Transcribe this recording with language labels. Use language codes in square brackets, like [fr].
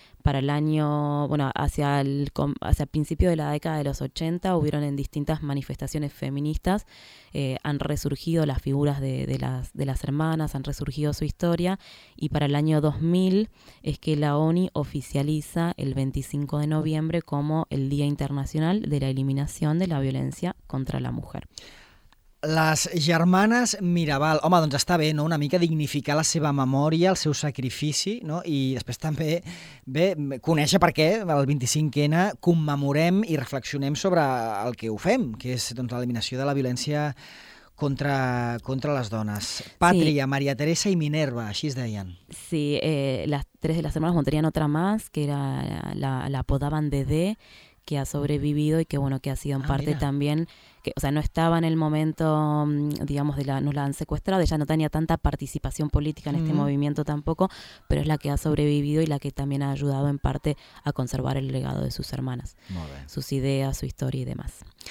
[es] Para el año, bueno, hacia el principio de la década de los 80 hubieron en distintas manifestaciones feministas, han resurgido las figuras de las hermanas, han resurgido su historia, y para el año 2000 es que la ONI oficializa el 25 de noviembre como el Día Internacional de la Eliminación de la Violencia contra la Mujer. [ca] Les germanes Mirabal. Home, doncs està bé, no?, una mica dignificar la seva memòria, el seu sacrifici, no?, i després també bé conèixer per què el 25N commemorem i reflexionem sobre el que ho fem, que és doncs l'eliminació de la violència contra les dones. Pàtria, sí. Maria Teresa i Minerva, així es deien. [es] Sí, les tres de les germanes montarien otra más, que era la apodaven Dedé, que ha sobrevivido y que, bueno, que ha sido en parte mira. También... O sea, no estaba en el momento, digamos, nos la han secuestrado, ella no tenía tanta participación política en este movimiento tampoco, pero es la que ha sobrevivido y la que también ha ayudado en parte a conservar el legado de sus hermanas, sus ideas, su historia y demás.